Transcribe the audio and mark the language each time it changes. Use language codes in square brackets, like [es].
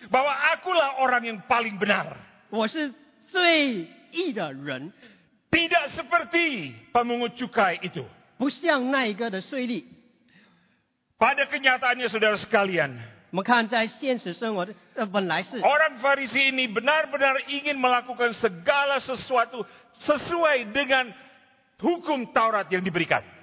[id] Bahwa akulah orang yang paling benar. [zh] 我是最义的人. [id] Tidak seperti pemungut cukai itu. [zh] 不像那一个的税吏. [id] Pada kenyataannya saudara sekalian. [zh] 我们看在现实生活的本来是. [id] Orang Farisi ini benar-benar ingin melakukan segala sesuatu sesuai dengan hukum Taurat yang diberikan.